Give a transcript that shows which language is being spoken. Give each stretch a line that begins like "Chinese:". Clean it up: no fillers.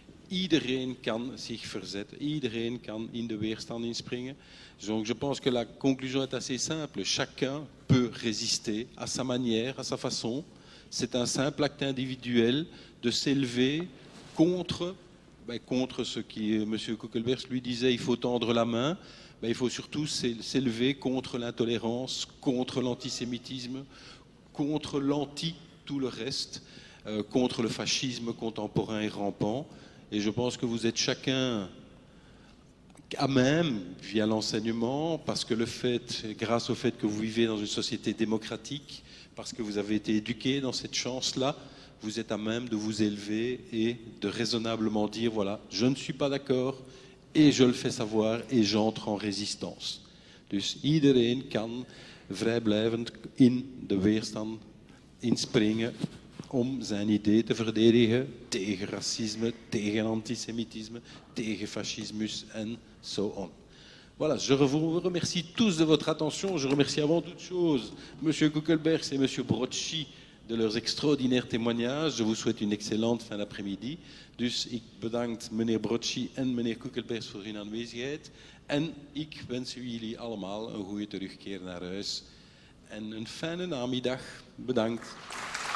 Dutch: Iedereen kan zich verzetten. Iedereen kan in de weerstand inspringen.
French: Donc je pense que la conclusion est assez simple. Chacun peut résister à sa manière, à sa façon. C'est un simple acte individuel de s'élever contre ce que M. Kuckelberg lui disait, il faut tendre la main, il faut surtout s'élever contre l'intolérance, contre l'antisémitisme, contre tout le reste, contre le fascisme contemporain et rampant. Et je pense que vous êtes chacun à même, via l'enseignement, parce que grâce au fait que vous vivez dans une société démocratique, parce que vous avez été éduqué dans cette chance-là, vous êtes à même de vous élever et de raisonnablement dire, voilà, je ne suis pas d'accord et je le fais savoir et j'entre en résistance.
Dutch: Dus iedereen kan vrijblijvend in de weerstand inspringen om zijn idee te verdedigen tegen racisme, tegen antisémitisme, tegen fascismus en so on.
French: Voilà, je vous remercie tous de votre attention. Je remercie avant toute chose M. Kuckelberg et M. Brocci de leurs extraordinaires témoignages. Je vous souhaite une excellente fin d'après-midi.
Dutch: Dus ik bedankt meneer Brocci en meneer Kuckelberg voor hun aanwezigheid. En ik wens jullie allemaal een goede terugkeer naar huis. En een fijne namiddag. Bedankt. APPLAUS